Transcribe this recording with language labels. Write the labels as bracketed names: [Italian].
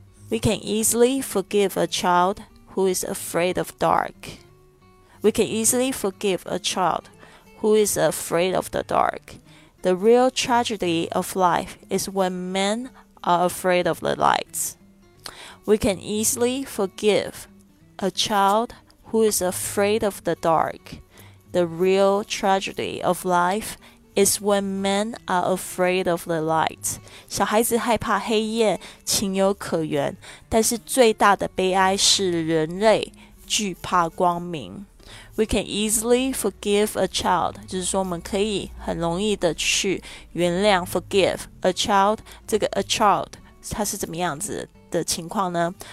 [English] We can easily forgive a child who is afraid of dark We can easily forgive a child who is afraid of the darkThe real tragedy of life is when men are afraid of the light. We can easily forgive a child who is afraid of the dark. The real tragedy of life is when men are afraid of the light. [Chinese] 小孩子害怕黑夜，情有可原，但是最大的悲哀是人类惧怕光明。 [English] We can easily forgive a child, [Chinese] 就是说我们可以很容易的去原谅 [English] forgive a child. [Chinese] 这个 a child 它是怎么样子的情况呢？